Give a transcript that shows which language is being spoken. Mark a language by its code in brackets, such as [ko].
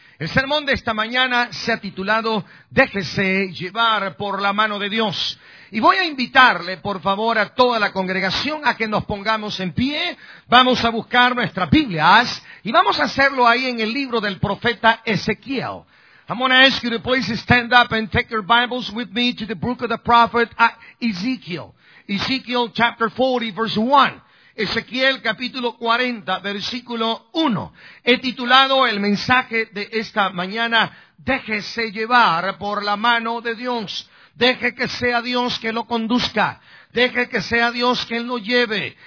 [es] El sermón de esta mañana se ha titulado Déjese llevar por la mano de Dios. Y voy a invitarle, por favor, a toda la congregación a que nos pongamos en pie. Vamos a buscar nuestras Biblias y vamos a hacerlo ahí en el libro del profeta Ezequiel. [en] I'm going to ask you to please stand up and take your Bibles with me to the book of the prophet Ezekiel. Ezekiel chapter 40 verse 1. [es] Ezequiel capítulo 40, versículo 1. He titulado el mensaje de esta mañana, déjese llevar por la mano de Dios. Deje que sea Dios quien lo conduzca. Deje que sea Dios quien lo lleve.